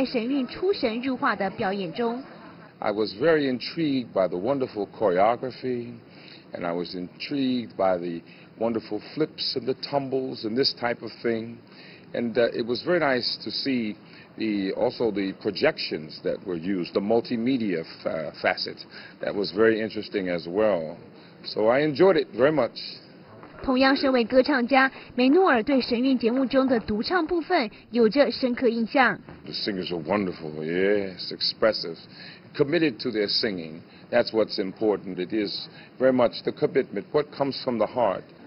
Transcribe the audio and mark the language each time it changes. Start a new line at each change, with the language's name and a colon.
Chinese: 神韵国际艺术团一连5天在台湾高雄的演出，吸引了著名的美国音乐家观赏。他们对神韵的演出非常的赞叹，表示能看到这么棒的节目很震撼。神韵艺术团在高雄的演出，吸引了世界级的美国男低音声乐家凯文·梅诺尔前来观赏。他表示，沉浸在神韵出神入化的表演中。
English: I was very intrigued by the wonderful choreography, and I was intrigued by the wonderful flips and the tumbles and this type of thing. And it was very nice to see also the projections that were used, the multimedia facet. That was very interesting as well. So I enjoyed it very much.
Chinese: 同样身为歌唱家，梅诺尔对神韵节目中的独唱部分有着深刻印象。
English: The singers are wonderful, yes, expressive, committed to their singing. That's what's important. It is very much the commitment, what comes from the heart.